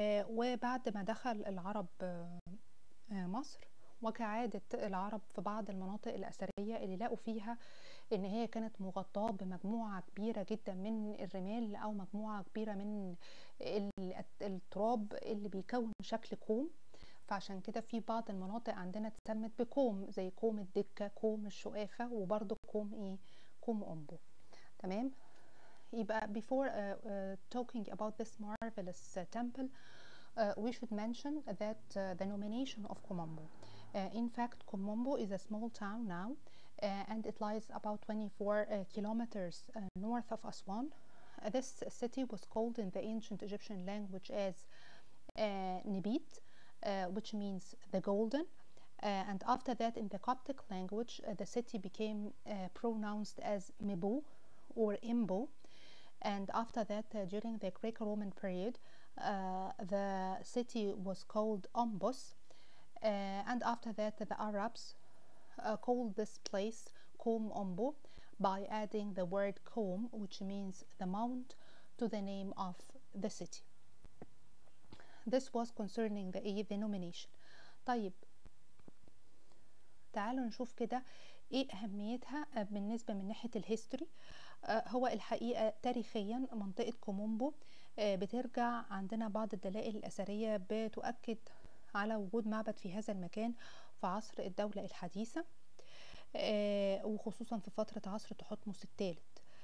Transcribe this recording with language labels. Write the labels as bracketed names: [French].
[Arabic] وبعد ما دخل العرب مصر، وكعادة العرب في بعض المناطق الأثرية اللي لقوا فيها إن هي كانت مغطاة بمجموعة كبيرة جدا من الرمال أو مجموعة كبيرة من التراب اللي بيكون شكل كوم، فعشان كده في بعض المناطق عندنا اتسمت بكوم، زي كوم الدكة، كوم الشقافة، وبرضو كوم ايه، كوم أمبو. تمام. يبقى [English] before talking about this marvelous temple, we should mention that the nomination of Komombo. In fact, Komombo is a small town now, and it lies about 24 kilometers north of Aswan. This city was called in the ancient Egyptian language as Nibit, which means the golden. And after that, in the Coptic language, the city became pronounced as Mibu or Imbo. And after that, during the Greco-Roman period, the city was called Ombos. And after that, the Arabs called this place Kom Ombo by adding the word Kom, which means the mount, to the name of the city. This was concerning the nomination. [Arabic] طيب تعالوا نشوف كده ايه اهميتها بالنسبة من ناحية الهيستوري. هو الحقيقة تاريخيا منطقة كومومبو بترجع عندنا بعض الدلائل الأثرية بتؤكد على وجود معبد في هذا المكان في عصر الدولة الحديثة، وخصوصا في فترة عصر تحتمس الثالث.